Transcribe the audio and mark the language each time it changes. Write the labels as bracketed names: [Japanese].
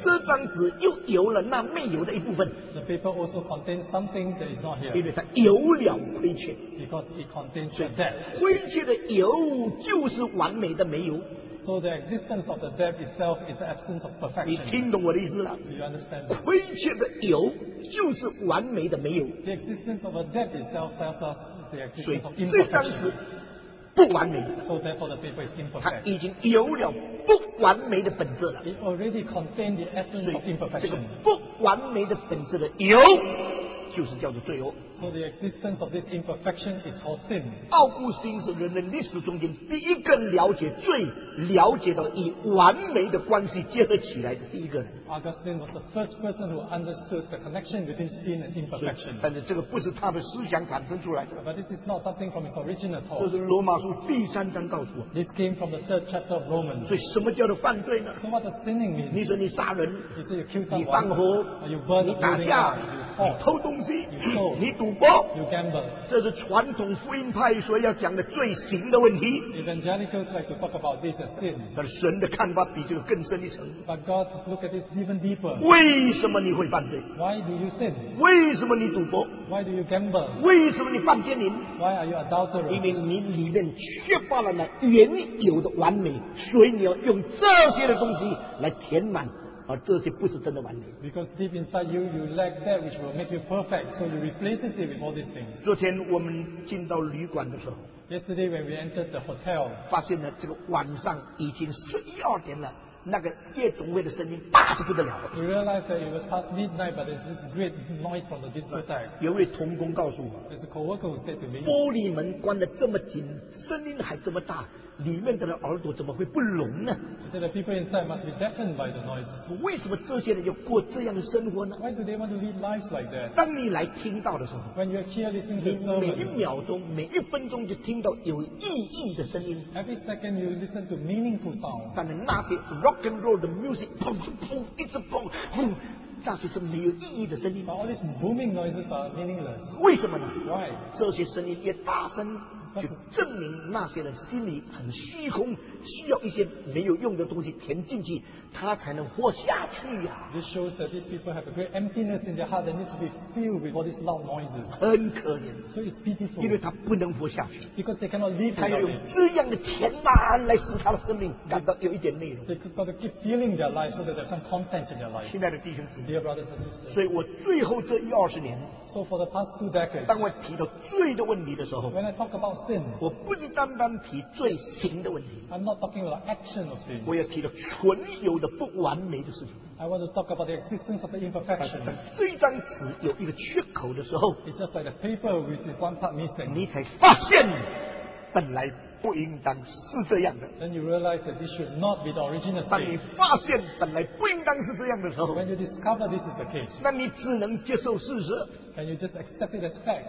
[Chinese] 这张纸又有了那没有的一部分。 [English] The paper also contains something that is not here. [Chinese] 因为它有了亏欠。 [English] Because it contains your debt. [Chinese] 亏欠的有就是完美的没有。 [English] So the existence of the debt itself is the absence of perfection. [Chinese] 你听懂我的意思了？ [English] Do you understand? [Chinese] 亏欠的有就是完美的没有。 [English] The existence of a debt itself tells us the existence of imperfection. [Chinese] 不完美。 [English] So therefore the paper is imperfect. [Chinese] 它已经有了不完美的本质了。 [English] It already contained the essence of imperfection. [Chinese] 这个不完美的本质的有就是叫做罪恶。 [English] So the existence of this imperfection is called sin. [Chinese] 奥古斯丁是人类历史中间第一个了解罪、了解到以完美的关系结合起来的第一个人。 [English] Augustine was the first person who understood the connection between sin and imperfection. [Chinese] 但是这个不是他的思想产生出来的。 [English] But this is not something from his origin at all. [Chinese] 这是罗马书第三章告诉我。 [English] This came from the third chapter of Romans. [Chinese] 所以什么叫做犯罪呢？ [English] So what does sinning mean? [Chinese] 你说你杀人， [English] you say you kill someone, [Chinese] 你放火， [English] you burn, [Chinese] 你打架。你偷东西，你赌博， [English] you gamble. [Chinese] 这是传统福音派所要讲的罪行的问题。 [English] Evangelicals like to talk about this as sin. [Chinese] 但神的看法比这个更深一层。 [English] But God looks at this even deeper. [Chinese] 为什么你会犯罪？ [English] Why do you sin? [Chinese] 为什么你赌博？ [English] Why do you gamble? [Chinese] 为什么你犯奸淫？ [English] Why are you adulterous? [Chinese] 因为你里面缺乏了那原有的完美，所以你要用这些的东西来填满。而这些不是真的完美。 [English] Because deep inside you, you lack that which will make you perfect, so you replace it with all these things. [Chinese] 昨天我们进到旅馆的时候 [English] ，Yesterday when we entered the hotel, [Chinese] 发现了这个晚上已经11:00了，那个夜总会的声音大得不得了。 [English] We realized that it was past midnight, but there's this great noise from the discotheque. [Chinese] 有位同工告诉我 [English] ，There's a coworker who said to me, [Chinese] 玻璃门关得这么紧，声音还这么大。里面的人耳朵怎么会不聋呢？ [English] He said that people inside must be deafened by the noise. [Chinese] 为什么这些人要过这样的生活呢？ [English] Why do they want to live lives like that? [Chinese] 当你来听到的时候， [English] When you hear listening to sermon, [Chinese] 每一秒钟每一分钟就听到有意义的声音。 [English] Every second you listen to meaningful sound. [Chinese] 但是那些 [English] rock and roll [Chinese] 的 music 砰砰砰一直砰砰，那些是没有意义的声音。 [English] But all these booming noises are meaningless. [Chinese] 为什么呢？ [English] Why? [Chinese] 这些声音越大声就证明那些人心里很虚空，需要一些没有用的东西填进去，他才能活下去呀。 [English] This shows that these people have a great emptiness in their heart that needs to be filled with all these loud noises. [Chinese] 很可怜。 [English] So it's pitiful. [Chinese] 因为他不能活下去。 [English] Because they cannot live. [Chinese] 他要用这样的填满来使他的生命感到有一点内容。 [English] They've got to keep filling their life so that there's some content in their life. [Chinese] 亲爱的弟兄姊妹， [English] dear brothers and sisters. [Chinese] 所以我最后这一二十年。 [English] So for the past two decades. [Chinese] 当我提到罪的问题的时候。 [English] When I talk about sin. [Chinese] 我不是单单提罪行的问题。 [English] I'm not talking about action of sin. [Chinese] 我要提到存有的不完美的事情。 [English] I want to talk about the existence of the imperfection. [Chinese] 这张纸有一个缺口的时候， [English] It's just like the paper which is one part missing. [Chinese] 你才发现本来不应当是这样的。 [English] Then you realize that this should not be the original thing. [Chinese] 当你发现本来不应当是这样的时候， [English] When you discover this is the case, [Chinese] 那你只能接受事实。 [English] Can you just accept it as fact?